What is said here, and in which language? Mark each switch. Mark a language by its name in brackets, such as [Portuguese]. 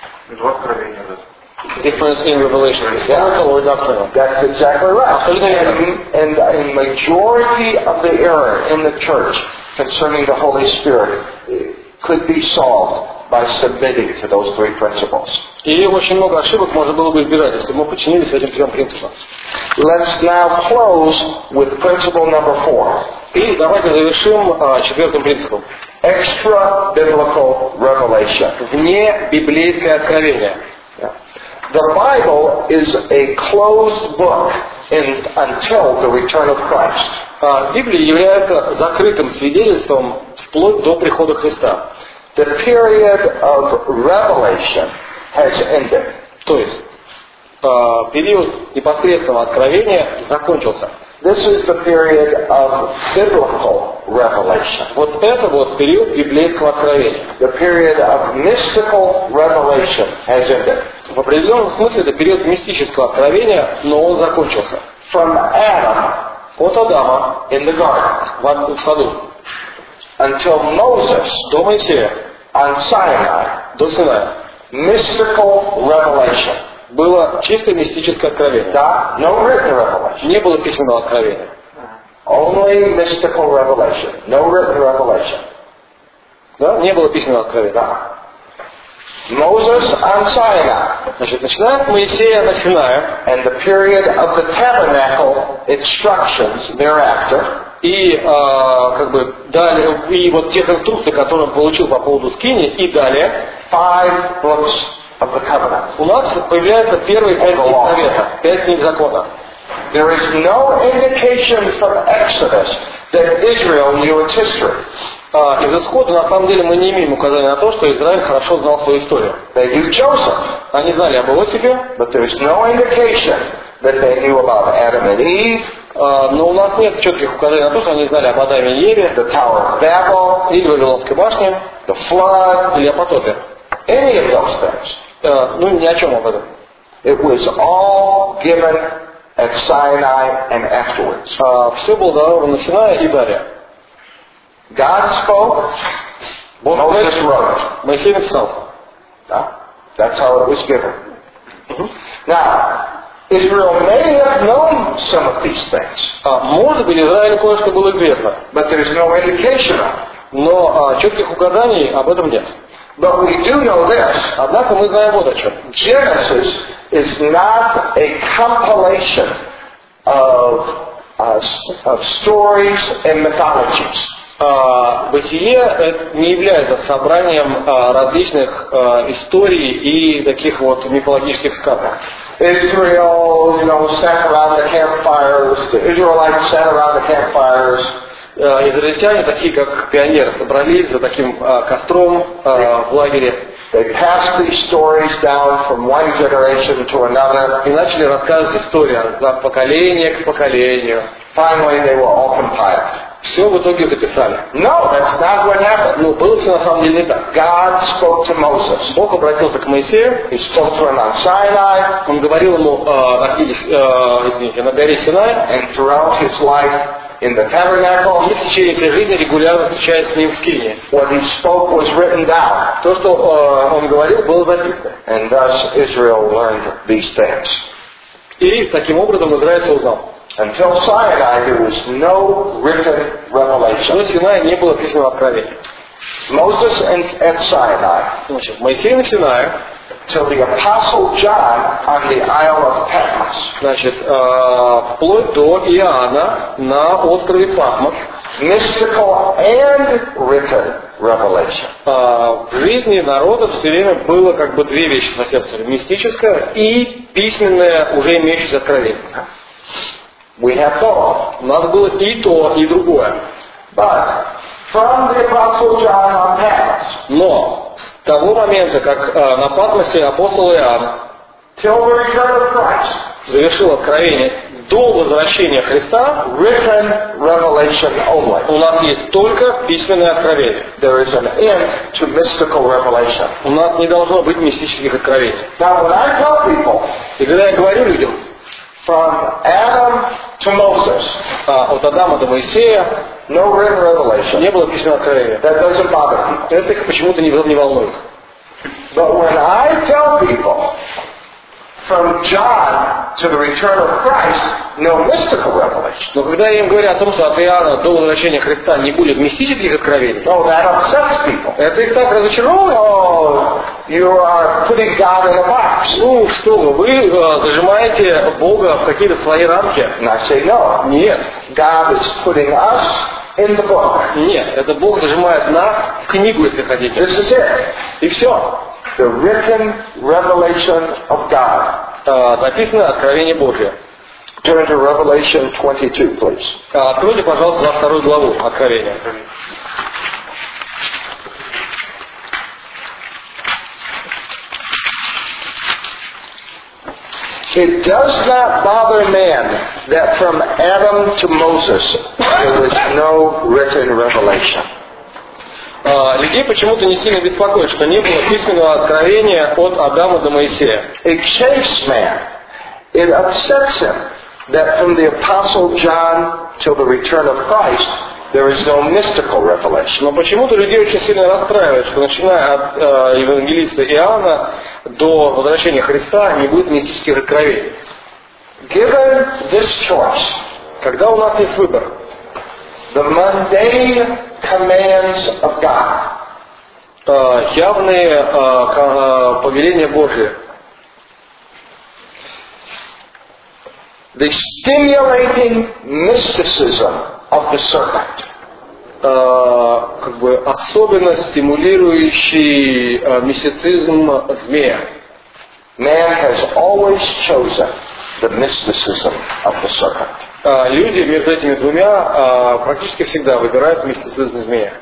[Russian] Откровение, да. [English] Difference in revelation. Historical or doctrinal. That's exactly right. And a majority of the error in the church concerning the Holy Spirit could be solved by submitting to those three principles. [Russian] И очень много ошибок можно было бы избежать, если бы мы подчинились этим трем принципам. [English] Let's now close with principle number 4. [Russian] И давайте завершим четвертым принципом. [English] Extra-biblical revelation. [Russian] Вне библейское откровение. [English] The Bible is a closed book until the return of Christ. [Russian] Библия является закрытым свидетельством вплоть до прихода Христа. [English] The period of revelation has ended. [Russian] То есть период непосредственного откровения закончился. [English] This is the period of biblical revelation. [Russian] Вот это вот период библейского откровения. [English] The period of mystical revelation has ended. [Russian] В определенном смысле это период мистического откровения, но он закончился. [English] From Adam, [Russian] от Адама, [English] in the garden, [Russian] в саду, [English] until Moses, [Russian] до Моисея, [English] on Sinai, [Russian] до Синая, [English] mystical revelation. [Russian] Было чисто мистическое откровение. Да, [English] no written revelation. [Russian] Не было письменного откровения. [English] Only mystical revelation. No written revelation. [Russian] Да, не было письменного откровения. Да. [English] Moses on Sinai. [Russian] Значит, начиная с Моисея на Синае. [English] And the period of the tabernacle instructions thereafter. [Russian] И как бы далее, и вот те инструкции, которые он получил по поводу скинии, и далее. [English] Five books of the covenant. [Russian] У нас появляется первые пять книг Завета, пять книг закона. [English] There is no indication from Exodus that Israel knew its history. [Russian] Из Исхода, на самом деле, мы не имеем указания на то, что Израиль хорошо знал свою историю. [English] They knew Joseph. [Russian] Они знали об Иосифе. [English] But there is no indication that they knew about Adam and Eve. [Russian] Но у нас нет четких указаний на то, что они знали об Адаме и Еве. [English] The Tower of Babel. [Russian] Или Вавилонской башне. [English] The Flood. [Russian] Или о потопе. [English] Any of those things. [Russian] Ну, ни о чем об этом. [English] It was all given at Sinai and afterwards. [Russian] Все было дано на Синае и далее. [English] God spoke. Moses wrote. [Russian] Моисей написал. Да? [English] That's how it was given. Now, Israel may have known some of these things. [Russian] Может быть, Израилю кое-что было известно. [English] But there is no indication of. [Russian] Но четких указаний об этом нет. [English] But we do know this. [Russian] Однако мы знаем вот о чем. [English] Genesis is not a compilation of stories and mythologies. [Russian] Бытие не является собранием различных историй и таких вот мифологических сказок. [English] Israel, you know, sat around the campfires. The Israelites sat around the campfires. [Russian] Израильтяне, такие как пионеры, собрались за таким костром в лагере. [English] They passed these stories down from one generation to another. [Russian] И начали рассказывать истории от поколения к поколению. [English] Finally, they were all compiled. [Russian] Все в итоге записали. [English] No, that's not what happened. [Russian] Ну, было все на самом деле не так. [English] God spoke to Moses. [Russian] Бог обратился к Моисею. [English] He spoke to him on Sinai. [Russian] Он говорил ему на горе Синай. [English] And throughout his life in the tabernacle. [Russian] И в течение всей жизни регулярно встречаясь с ним в скинии. [English] What he spoke was written down. [Russian] То, что он говорил, было записано. [English] And thus Israel learned these things. [Russian] И таким образом Израиль узнал. [English] Until Sinai, there was no written revelation. [Russian] До Синая не было письменного откровения. [English] Moses and at Sinai. [Russian] Значит, Моисей на Синае. [English] Till the Apostle John on the Isle of Patmos. [Russian] Значит, вплоть до Иоанна на острове Патмос. [English] Mystical and written revelation. [Russian] В жизни народа все время было как бы две вещи соседствовали: мистическое и письменное уже имеющееся откровение. [English] We have both. [Russian] У нас было и то, и другое. [English] But from the Apostle John on Patmos. [Russian] Но с того момента, как на Патмосе апостол Иоанн [English] till the return of Christ, [Russian] завершил откровение до возвращения Христа, [English] written revelation only. [Russian] У нас есть только письменное откровение. [English] There is an end to mystical revelation. [Russian] У нас не должно быть мистических откровений. [English] Now, when I tell people, [Russian] и когда я говорю людям, [English] from Adam to Moses. [Russian] От Адама до Моисея. [English] No written revelation. [Russian] Не было письменного откровения. [English] That doesn't bother people. [Russian] Это их почему-то не волнует. [English] But when I tell people, from John to the return of Christ, no mystical revelation. [Russian] Но когда я им говорю о том, что от Иоанна до возвращения Христа не будет мистических откровений, [English] no, that upsets people. [Russian] Это их так разочаровывает. [English] Oh, you are putting God in a box. [Russian] Ну что вы зажимаете Бога в какие-то свои рамки? [English] And I say no. [Russian] Нет. [English] God is putting us in the book. [Russian] Нет, это Бог зажимает нас в книгу, если хотите. [English] This is it. [Russian] И все. [English] The written revelation of God. [Russian] Записано откровение Божие. [English] Turn to Revelation 22, please. [Russian] Откройте, пожалуйста, 22 главу Откровения. [English] It does not bother man that from Adam to Moses there was no written revelation. [Russian] Людей почему-то не сильно беспокоит, что не было письменного откровения от Адама до Моисея. [English] It shakes man. It upsets him that from the Apostle John till the return of Christ there is no mystical revelation. [Russian] Но почему-то людей очень сильно расстраивает, что начиная от евангелиста Иоанна до возвращения Христа не будет мистических откровений. [English] Given this choice, [Russian] когда у нас есть выбор, [English] the mundane commands of God, [Russian] явные повеления Божьи, [English] the stimulating mysticism of the serpent, [Russian] как бы особенно стимулирующий мистицизм змея. [English] Man has always chosen the mysticism of the serpent. [Russian] Люди между этими двумя практически всегда выбирают мистицизм змея.